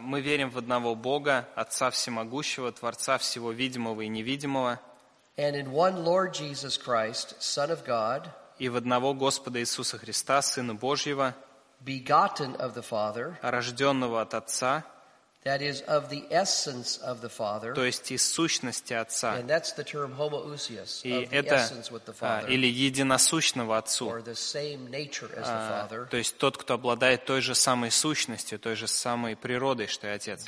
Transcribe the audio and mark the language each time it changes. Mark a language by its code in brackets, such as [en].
[ru] Мы верим в одного Бога, Отца всемогущего, Творца всего видимого и невидимого. [en] And in one Lord Jesus Christ, Son of God. [ru] И в одного Господа Иисуса Христа, Сына Божьего. [en] Begotten of the Father. [ru] Рожденного от Отца. [en] That is of the essence of the Father. [ru] То есть из сущности Отца. [en] And that's the term homoousios, of the essence with the Father. [ru] Или единосущного Отцу. [en] Or the same nature as the Father. [ru] То есть тот, кто обладает той же самой сущностью, той же самой природой, что и Отец.